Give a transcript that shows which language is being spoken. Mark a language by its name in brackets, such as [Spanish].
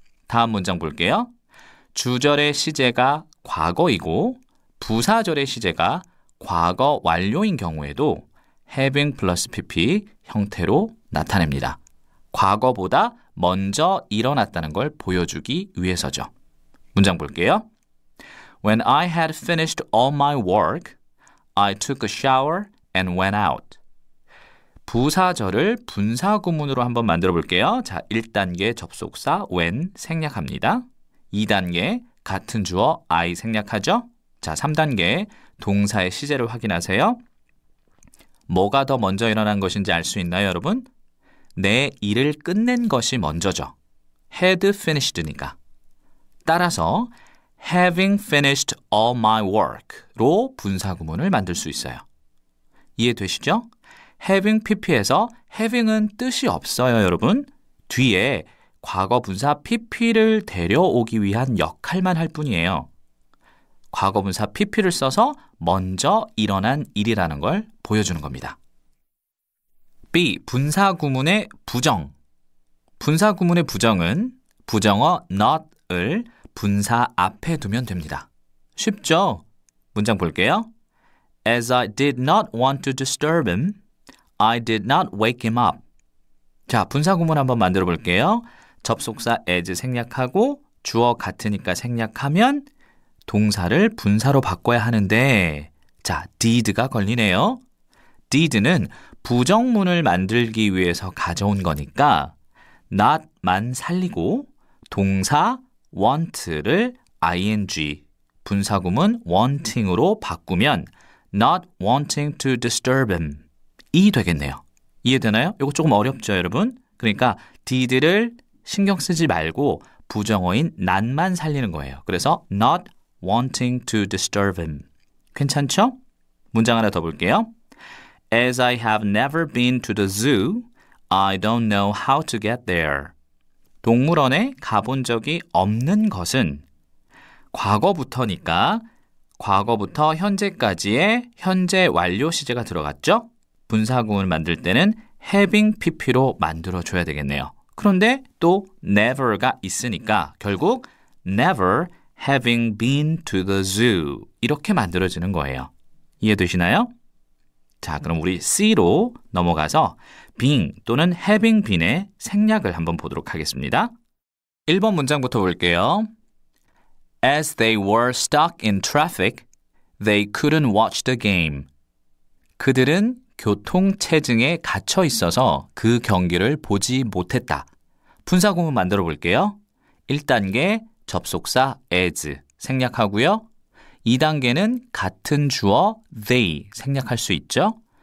[Korean] 다음 문장 볼게요. 주절의 시제가 과거이고 부사절의 시제가 과거 완료인 경우에도 having plus pp 형태로 나타냅니다. 과거보다 먼저 일어났다는 걸 보여주기 위해서죠. 문장 볼게요. [English] When I had finished all my work, I took a shower and went out. [Korean] 부사절을 분사구문으로 한번 만들어 볼게요. 자, 1단계 접속사 when 생략합니다. 2단계 같은 주어 I 생략하죠. 자, 3단계 동사의 시제를 확인하세요. 뭐가 더 먼저 일어난 것인지 알 수 있나요, 여러분? 내 일을 끝낸 것이 먼저죠. had finished니까. 따라서 [English] having finished all my work [Korean] 로 분사구문을 만들 수 있어요. 이해되시죠? having pp에서 having은 뜻이 없어요, 여러분. 뒤에 과거 분사 pp를 데려오기 위한 역할만 할 뿐이에요. 과거 분사 pp를 써서 먼저 일어난 일이라는 걸 보여주는 겁니다. B. 분사구문의 부정. 분사구문의 부정은 부정어 not을 분사 앞에 두면 됩니다. 쉽죠? 문장 볼게요. [English] As I did not want to disturb him, I did not wake him up. [Korean] 자, 분사구문 한번 만들어 볼게요. 접속사 as 생략하고 주어 같으니까 생략하면 동사를 분사로 바꿔야 하는데 자, did가 걸리네요. did는 부정문을 만들기 위해서 가져온 거니까 not만 살리고 동사 want를 ing 분사구문 wanting으로 바꾸면 [English] not wanting to disturb him [Korean] 이 되겠네요. 이해되나요? 이거 조금 어렵죠, 여러분? 그러니까 did를 신경 쓰지 말고 부정어인 not만 살리는 거예요. 그래서 [English] not wanting to disturb him. [Korean] 괜찮죠? 문장 하나 더 볼게요. [English] As I have never been to the zoo, I don't know how to get there. [Korean] 동물원에 가본 적이 없는 것은 과거부터니까 과거부터 현재까지의 현재 완료 시제가 들어갔죠? 분사구문을 만들 때는 having pp로 만들어줘야 되겠네요. 그런데 또 never가 있으니까 결국 [English] never having been to the zoo [Korean] 이렇게 만들어지는 거예요. 이해되시나요? 자, 그럼 우리 C로 넘어가서 being 또는 having been의 생략을 한번 보도록 하겠습니다. 1번 문장부터 볼게요. [English] As they were stuck in traffic, they couldn't watch the game. [Korean] 그들은 교통체증에 갇혀 있어서 그 경기를 보지 못했다. 분사구문 만들어 볼게요. 1단계 접속사 as 생략하고요. 2단계는 같은 주어 they 생략할 수 있죠.